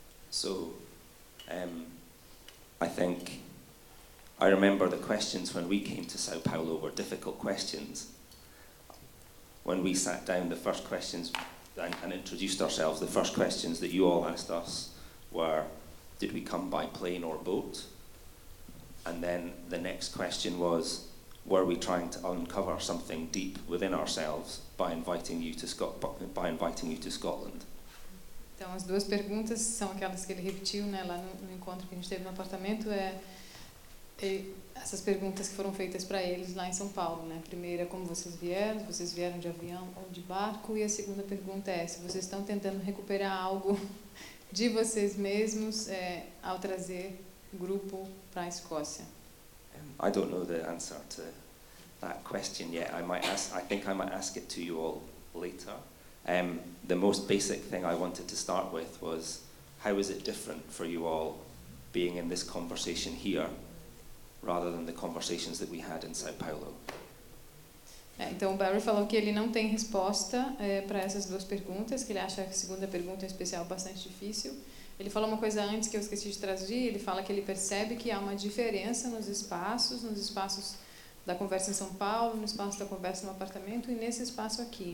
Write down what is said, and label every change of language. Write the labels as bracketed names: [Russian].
[English] So, I think I remember the questions when we came to São Paulo were difficult questions. When we sat down, the first questions and introduced ourselves, the first questions that you all asked us were, did we come by plane or boat? And then the next question was, were we trying to uncover something deep within ourselves by inviting you to Scotland? [Portuguese] Então, as duas perguntas são aquelas que ele repetiu, né, lá no encontro que a gente teve no apartamento, essas perguntas que foram feitas para eles lá em São Paulo, né? A primeira, como vocês vieram de avião ou de barco, e a segunda pergunta é, se vocês estão tentando recuperar algo de vocês mesmos ao trazer grupo para a Escócia. [English] I don't know the answer to that question yet. I think I might ask it to you all later. The most basic thing I wanted to start with was, how is it different for you all being in this conversation here rather than the conversations that we had in São Paulo? [Portuguese] Então o Barry falou que ele não tem resposta para essas duas perguntas, que ele acha que a segunda pergunta em especial bastante difícil. Ele falou uma coisa antes que eu esqueci de traduzir, ele fala que ele percebe que há uma diferença nos espaços da conversa em São Paulo, no espaço da conversa no apartamento e nesse espaço aqui.